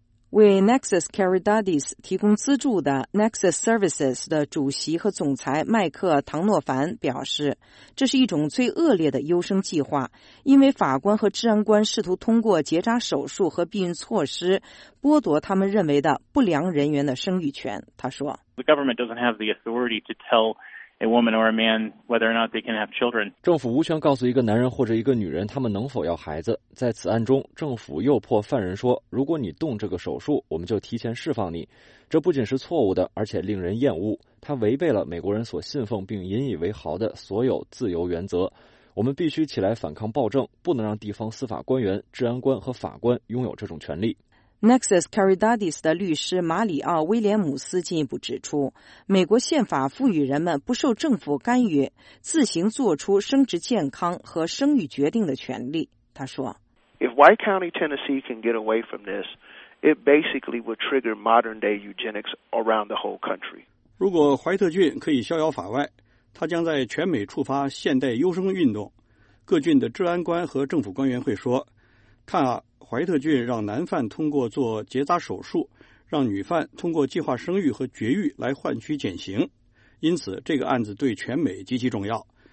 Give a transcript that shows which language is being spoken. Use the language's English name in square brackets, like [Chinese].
[Chinese] 为 Nexus Caridades 提供资助的 Nexus Services 的主席和总裁麦克·唐诺凡表示，这是一种最恶劣的优生计划，因为法官和治安官试图通过结扎手术和避孕措施剥夺他们认为的不良人员的生育权。他说 [English] The government doesn't have the authority to tell a woman or a man whether or not they can have children. [Chinese] 政府无权告诉一个男人或者一个女人他们能否要孩子。在此案中，政府诱迫犯人说，如果你动这个手术，我们就提前释放你。这不仅是错误的，而且令人厌恶，它违背了美国人所信奉并引以为豪的所有自由原则。我们必须起来反抗暴政，不能让地方司法官员、治安官和法官拥有这种权利。 Nexus Caridades 的律师马里奥·威廉姆斯进一步指出，美国宪法赋予人们不受政府干预自行做出生殖健康和生育决定的权利。他说 [English] If White County, Tennessee can get away from this, it basically would trigger modern-day eugenics around the whole country. [Chinese] 如果怀特郡可以逍遥法外，它将在全美触发现代优生运动。各郡的治安官和政府官员会说，看啊，怀特郡让男犯通过做结扎手术，让女犯通过计划生育和绝育来换取减刑，因此这个案子对全美极其重要。